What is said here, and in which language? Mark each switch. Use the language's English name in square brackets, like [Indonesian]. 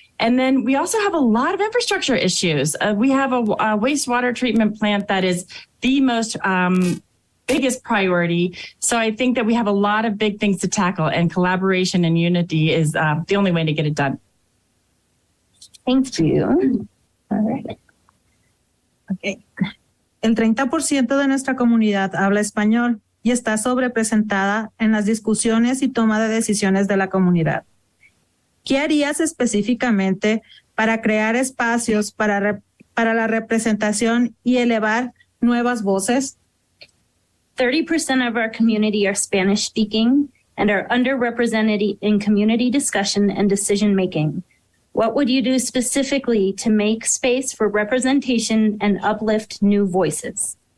[English] And then we also have a lot of infrastructure issues. We have a wastewater treatment plant that is the most biggest priority. So I think that we have a lot of big things to tackle, and collaboration and unity is the only way to get it done. Thank you. All right. [Spanish] Okay. El 30% de nuestra comunidad habla español y está sobrepresentada en las discusiones y toma de decisiones de la comunidad. ¿Qué harías específicamente para crear espacios para la representación y elevar nuevas voces? [English] 30% of our community are Spanish-speaking and are underrepresented in community discussion and decision-making. What would you do specifically to make space for representation and uplift new voices?